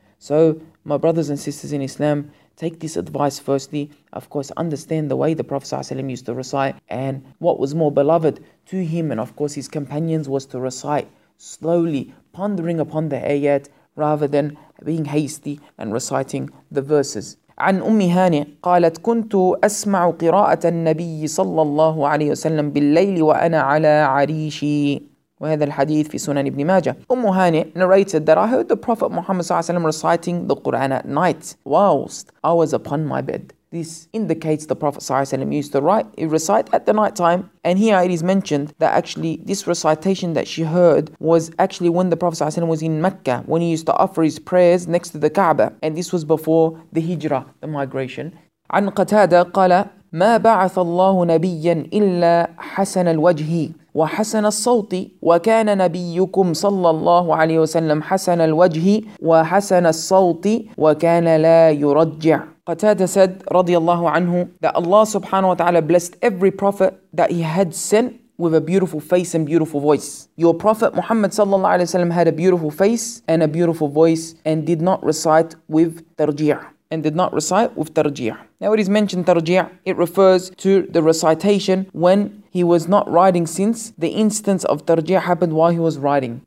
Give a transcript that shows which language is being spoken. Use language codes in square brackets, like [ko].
[en] So my brothers and sisters in Islam, take this advice firstly. Of course, understand the way the Prophet sallallahu alayhi wa sallam used to recite and what was more beloved to him and of course his companions was to recite slowly, pondering upon the ayat rather than being hasty and reciting the verses. [ar] عن أم هانئ قالت كنت أسمع قراءة النبي صلى الله عليه وسلم بالليل وأنا على عريشي. وهذا الحديث في سنن ابن ماجة. [en] أم هانئ narrated that I heard the Prophet Muhammad [ar] صلى الله عليه وسلم [en] reciting the Quran at night whilst I was upon my bed. This indicates the Prophet sallallahu alayhi wa sallam used to recite at the night time. And here it is mentioned that actually this recitation that she heard was actually when the Prophet sallallahu alayhi wa sallam was in Mecca, when he used to offer his prayers next to the Kaaba. And this was before the Hijrah, the migration. عن قتادة قال ما بعث الله نبيا إلا حسن الوجه وحسن الصوت وكان نبيكم صلى الله عليه وسلم حسن الوجه وحسن الصوت وكان لا يرجع. Qatada said, radiyallahu anhu, that Allah subhanahu wa ta'ala blessed every prophet that he had sent with a beautiful face and beautiful voice. Your prophet Muhammad sallallahu alayhi wa sallam had a beautiful face and a beautiful voice and did not recite with tarji'ah. And did not recite with tarji'ah. Now it is mentioned tarji'ah, it refers to the recitation when he was not riding since the instance of tarji'ah happened while he was riding.